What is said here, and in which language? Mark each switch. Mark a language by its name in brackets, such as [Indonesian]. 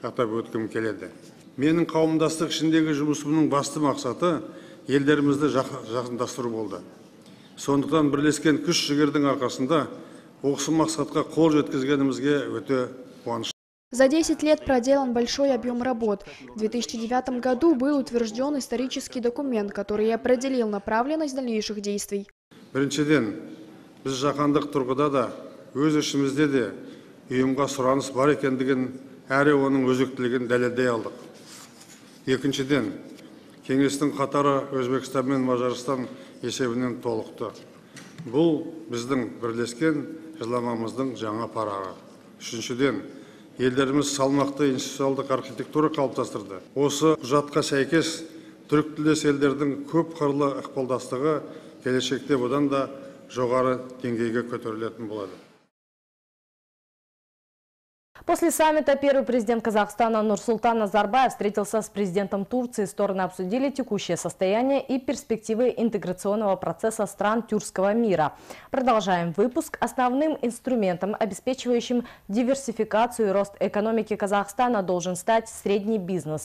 [Kazakh] Менің қауымдастық ішіндегі жұмысымның басты мақсаты елдерімізді жақындастыру болды. Сондықтан бірлескен күш жігердің арқасында осы мақсатқа қол жеткізгенімізге өте қуаныш. [Russian] За 10 лет проделан большой объем работ. В 2009 году был утвержден исторический документ, который определил направленность дальнейших действий. [Kazakh] Біріншіден, біз жақандық тұрғыда да, өз ішімізде де ұйымға сұраныс бар екендігін, әрі оның өзектілігін дәлелдей алдық. Екіншіден, кеңестің қатары Өзбекстан мен Мажарстан есебінен толықты. Бұл біздің бірлескен жыламамыздың жаңа парағы. Үшіншіден, елдеріміз салмақты институциалдық архитектура қалыптастырды. Осы құжатқа сәйкес, түріктілдес елдердің көп қырлы ықпалдастығы келешекте бұдан да жоғары деңгейге көтерілетін болады. [Russian] После саммита первый президент Казахстана Нурсултан Назарбаев встретился с президентом Турции. Стороны обсудили текущее состояние и перспективы интеграционного процесса стран тюркского мира. Продолжаем выпуск. Основным инструментом, обеспечивающим диверсификацию и рост экономики Казахстана, должен стать средний бизнес.